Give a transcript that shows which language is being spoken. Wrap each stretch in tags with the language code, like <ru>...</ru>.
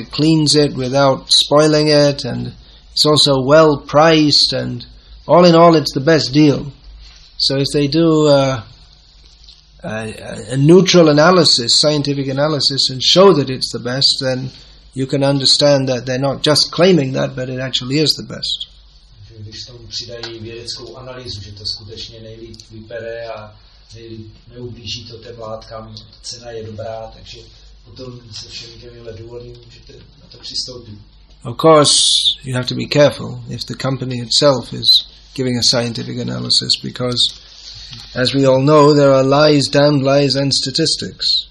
<en>It cleans it without spoiling it, and it's also well priced, and all in all, it's the best deal. So if they do a neutral analysis, scientific analysis, and show that it's the best, then you can understand that they're not just claiming that, but it actually is the best.</en> <cs>Když tomu přidají vědeckou analýzu, že to skutečně nejlíp vypere a neublíží to té látkám, cena je dobrá, takže potom se všemi těmihle důvody můžete na to přistoupit.</cs> <en>Of course, you have to be careful if the company itself is giving a scientific analysis, because as we all know, there are lies, damned lies and statistics.</en>